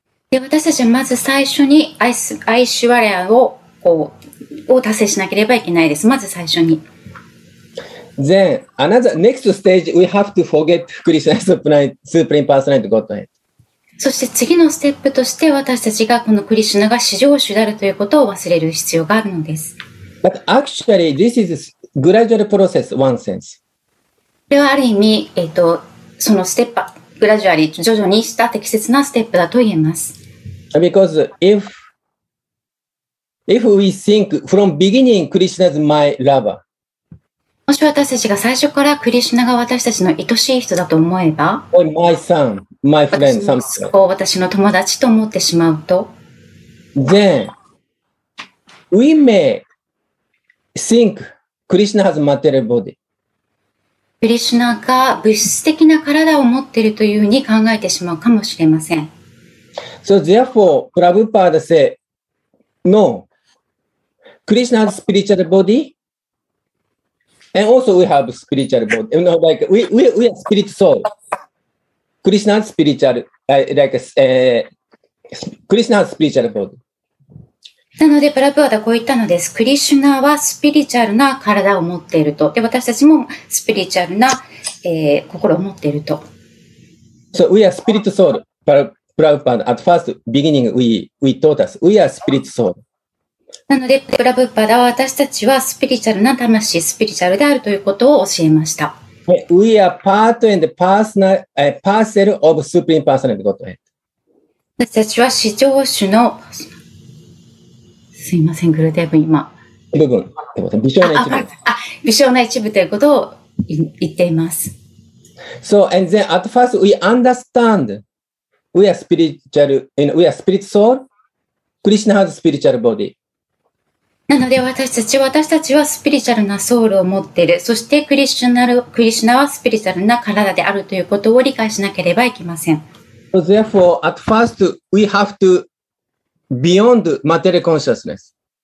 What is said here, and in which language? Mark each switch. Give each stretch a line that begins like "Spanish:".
Japanese: で、私たちはまず最初にアイシュワリアをこう、を達成しなければいけないです。まず最初に。
English: Then, another, next stage, we have to forget Krishna Supreme Personality Godhead.
Japanese: そして次のステップとして私たちがこのクリシュナが至上主であるということを忘れる必要があるのです。
English: But actually, this is a gradual process, one sense.
Japanese: これはある意味、そのステップ、グラジュアリー、徐々にした適切なステップだと言えます。
English: Because if we think from beginning, Krishna is my lover.
Japanese: もし私たちが最初からクリシュナが私たちの愛しい人だと思えば、
English: or my son, my friend,
Japanese: 私の友達と思ってしまうと、
English: then we may think Krishna has material body.
Japanese: クリシュナが物質的な体を持っているというふうに考えてしまうかもしれません。
English: So therefore, Prabhupada said, no, Krishna has spiritual body, and also we have spiritual body. You know, like, we are spirit soul. Krishna has spiritual, Krishna has spiritual body.
Japanese: なのでプラブはこう言ったのです。クリシュナはスピリチュアルな体を持っていると、で私たちもスピリチュアルな、心を持っていると。
English: So we are spirit soul. Prabhupada at first beginning we taught us we are spirit soul.
Japanese: なのでプラブパダは私たちはスピリチュアルな魂、スピリチュアルであるということを教えました。
English: We are part and personal, parcel of supreme personality Godhead.
Japanese: 私たちは至上主のすいませんグルデーブ今部分微小な一部、微小な一部ということを言っています。
English: So and then at first we understand we are spiritual and we are spirit soul. Krishna has spiritual body.
Japanese: なので私たちはスピリチュアルなソウルを持っている、そしてクリシュナはスピリチュアルな体であるということを理解しなければいけません。
English: So therefore at first we have toBeyond material consciousness.